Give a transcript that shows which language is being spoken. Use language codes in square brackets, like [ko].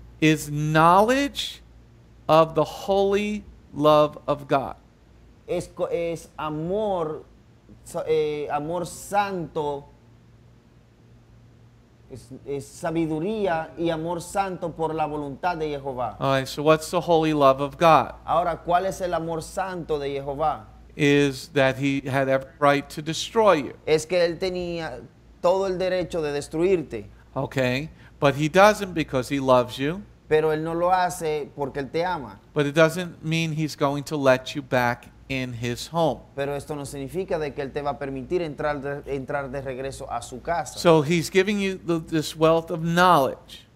[en] is knowledge of the holy love of God. [es] Es amor, amor santo, es sabiduría y amor santo por la voluntad de Jehová. [en] All right, so what's the holy love of God? [es] Ahora, ¿cuál es el amor santo de Jehová? [en] Is that he had every right to destroy you. [es] Es que él tenía todo el derecho de destruirte. [en] Okay, but he doesn't because he loves you. [es] Pero él no lo hace porque él te ama. [en] But it doesn't mean he's going to let you back in his home. [es] Pero esto no significa de que él te va a permitir entrar de regreso a su casa. [en] So he's giving you this wealth of knowledge.